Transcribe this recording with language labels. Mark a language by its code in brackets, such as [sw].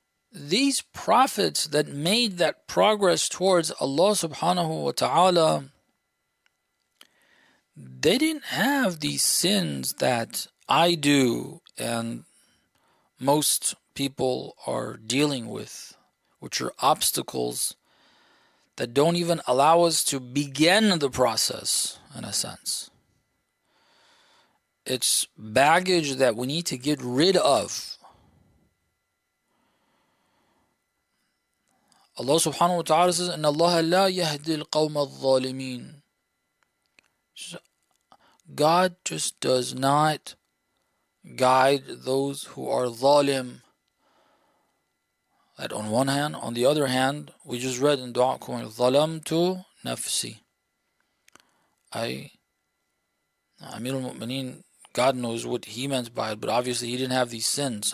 [en] These prophets that made that progress towards Allah subhanahu wa ta'ala, they didn't have these sins that I do and most people are dealing with, which are obstacles that don't even allow us to begin the process, in a sense. It's baggage that we need to get rid of. Allah subhanahu wa ta'ala says, [ar] إِنَّ اللَّهَ لَا يَهْدِي الْقَوْمَ الظَّالِمِينَ. [en] God just does not guide those who are zalim. That on one hand, on the other hand, we just read in Dua Kumar, Zalamtu Nafsi. Amir al-Mu'mineen, God knows what he meant by it, but obviously he didn't have these sins.